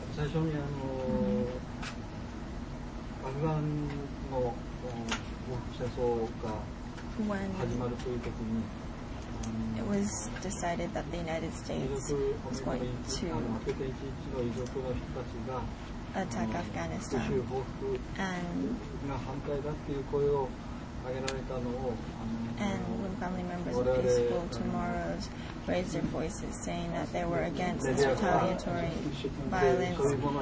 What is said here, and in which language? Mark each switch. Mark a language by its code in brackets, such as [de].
[ja] 最初にアフガンの戦争が始まるという時に、 [en] It was decided that the United States was going to attack Afghanistan. [ja] 自主報復が反対だという声を上げられたのを、 [en] And when family members of Peaceful Tomorrows raised their voices saying that they were against this retaliatory violence.